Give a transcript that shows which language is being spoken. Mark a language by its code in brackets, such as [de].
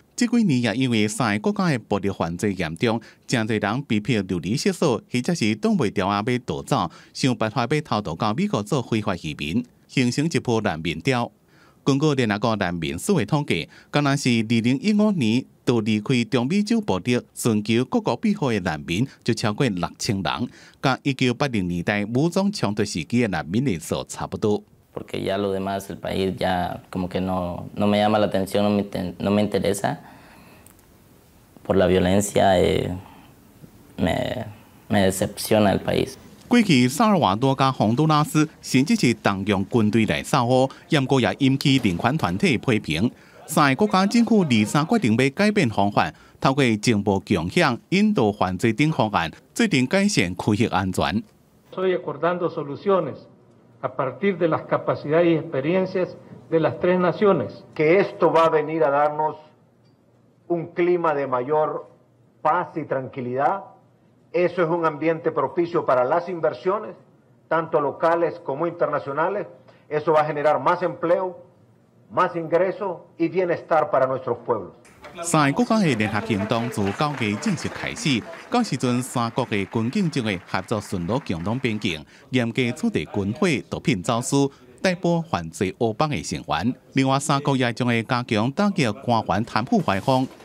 [zh] 这几年也因为三个国家的暴力犯罪严重，真侪人被迫流离失所，或者是挡袂住啊要逃走，想办法要逃到到美国做非法移民，形成一波难民潮。根据联合国难民署的统计，仅仅是2015年就离开中美洲暴力寻求各国庇护的难民就超过6,000人，跟1980年代武装冲突时期的难民人数差不多。 [es] Porque ya lo demás, el país ya como que no, no me llama la atención, no me interesa. Por la violencia, me decepciona el país. [zh] 过去萨尔瓦多加洪都拉斯甚至是动用军队来扫黑，严格也引起人权团体批评。三个国家政府23决定要改变方法，透过情报共享、引导犯罪等方案，制定改善区域安全。 [es] Estoy acordando soluciones. A partir de las capacidades y experiencias de las tres naciones. Que esto va a venir a darnos un clima de mayor paz y tranquilidad. Eso es un ambiente propicio para las inversiones, tanto locales como internacionales. Eso va a generar más empleo, más ingresos y bienestar para nuestros pueblos. [zh] 三国家的联合行动自九月正式开始，到时阵三国的军警就会合作巡逻共同边境，严格处置军火、毒品走私、逮捕犯罪黑帮的成员。另外，三国也将会加强打击官员贪腐坏风。